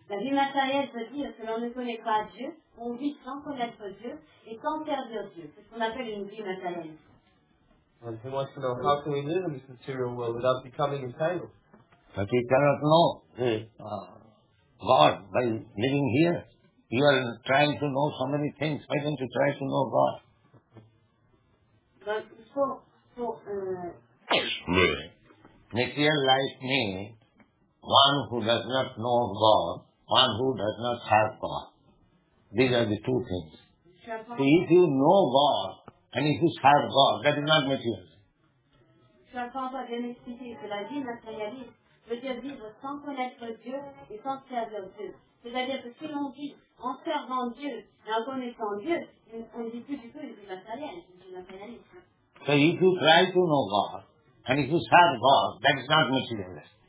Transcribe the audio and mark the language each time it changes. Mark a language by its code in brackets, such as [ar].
[fr] La vie matérielle veut dire que l'on ne connaît pas Dieu, on vit sans connaître Dieu et sans servir Dieu. C'est ce qu'on appelle une vie matérielle. [en] And he wants to know how can we live in this material world without becoming entangled? But you cannot know God by living here. You are trying to know so many things. Why don't you try to know God? But material life means one who does not know God, one who does not have God. These are the two things. So if you know God and if you have God, that is not material. [fr] Je n'entends pas bien expliquer que la vie matérialiste veut dire vivre sans connaître Dieu et sans servir Dieu. C'est-à-dire que si l'on vit en servant Dieu et en connaissant Dieu, on ne vit plus du tout une vie matérielle. [en] So if you try to know God and if you have God, that is not material.